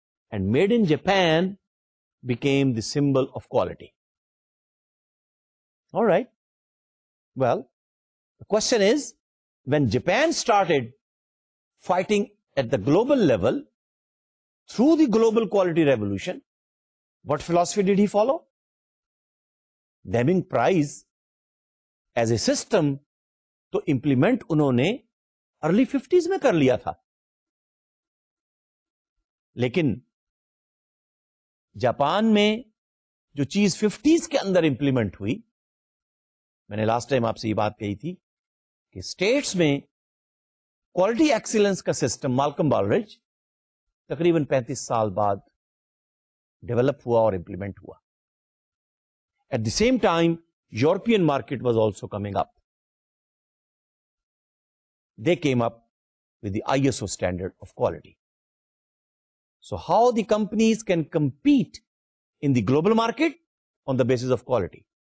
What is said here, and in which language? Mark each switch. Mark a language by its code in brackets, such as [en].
[en] And made in Japan became the symbol of quality. All right. Well, the question is, when Japan started fighting at the global level through the global quality revolution, what philosophy did he follow? Deming Prize. As a system [ur] تو implement انہوں نے early 50s میں کر لیا تھا, لیکن Japan میں جو چیز 50s کے اندر implement ہوئی, میں نے last time آپ سے یہ بات کہی تھی کہ states میں quality excellence کا system Malcolm Baldrige تقریباً 35 سال بعد develop ہوا اور implement ہوا. [en] At the same time European market was also coming up. they came up with the ISO standard of quality. So how the companies can compete in the global market on the basis of quality?